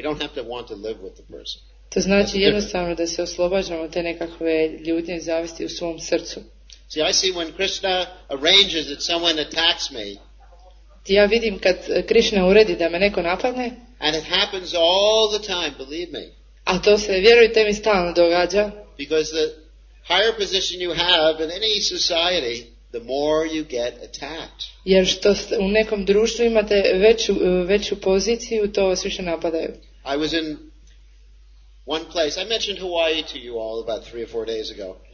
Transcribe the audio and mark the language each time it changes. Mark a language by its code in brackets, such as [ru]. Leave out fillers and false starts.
[en] We don't have to want to live with the person. [hr] To znači jednostavno da se oslobađamo te nekakve ljutnje i zavisti u svom srcu. [en] See, I see when Krishna arranges that someone attacks me. [hr] Ja vidim kad Krishna uredi da me neko napadne. [en] And it happens all the time, believe me. [hr] A to se, vjerujte mi, stalno događa. [en] Because the higher position you have in any society, the more you get attacked. [hr] Jer što u nekom društvu imate veću poziciju, to vas više napadaju. [en] I was in one place. I mentioned Hawaii to you all about 3 or 4 days ago.